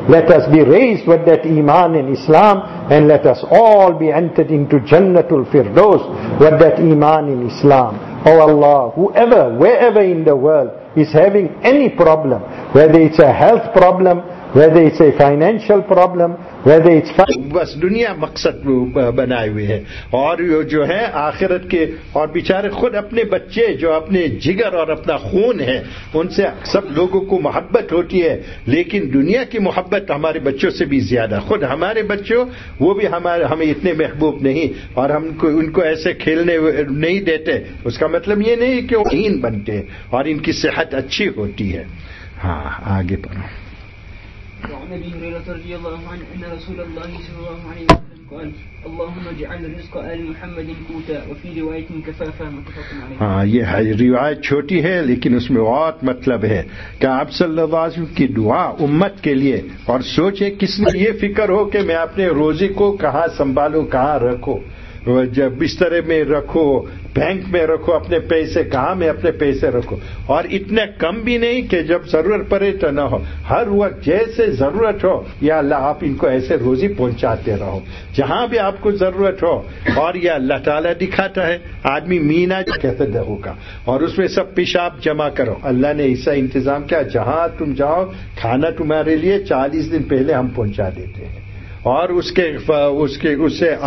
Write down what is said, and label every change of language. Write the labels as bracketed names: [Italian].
[English] Let us be raised with that iman in Islam, and let us all be entered into Jannatul Firdaus with that iman in Islam. Oh Allah, whoever, wherever in the world is having any problem, whether it's a health problem, whether it's a financial problem, whether it's [Urdu] بس دنیا مقصد بنائے ہوئے ہیں اور جو ہے آخرت کے اور بیچارے خود اپنے بچے جو اپنے جگر اور اپنا خون ہیں ان سے سب لوگوں کو محبت ہوتی ہے لیکن دنیا کی محبت ہمارے بچوں سے بھی زیادہ خود ہمارے بچوں وہ بھی ہمیں اتنے محبوب نہیں اور ہم ان کو ایسے کھیلنے نہیں دیتے اس کا مطلب یہ نہیں کہ وہ ہین بنتے ہیں اور ان کی صحت اچھی ہوتی ہے ہاں آگے پڑھو [Arabic] وعن ابي هريره رضي الله عنه ان رسول الله صلى الله عليه وسلم قال اللهم اجعل رزق ال محمد قوتا وفي روايه كفافا متفق عليه [Urdu] ہاں یہ ہے روایت چھوٹی ہے لیکن اس میں بہت مطلب ہے کہ آپ صلی اللہ علیہ وسلم کی دعا امت کے لیے اور سوچے کس نے یہ فکر ہو کہ میں اپنے روزی کو کہاں سنبھالوں کہاں رکھو جب بسترے میں رکھو بینک میں رکھو اپنے پیسے کہاں میں اپنے پیسے رکھو اور اتنا کم بھی نہیں کہ جب ضرورت پڑے تو نہ ہو ہر وقت جیسے ضرورت ہو یا اللہ آپ ان کو ایسے روزی پہنچاتے رہو جہاں بھی آپ کو ضرورت ہو اور یہ اللہ تعالیٰ دکھاتا ہے آدمی مینا کیسے دہو کا اور اس میں سب پیشاب جمع کرو اللہ نے ایسا انتظام کیا جہاں تم جاؤ کھانا تمہارے لیے 40 دن پہلے ہم پہنچا دیتے ہیں اور اسے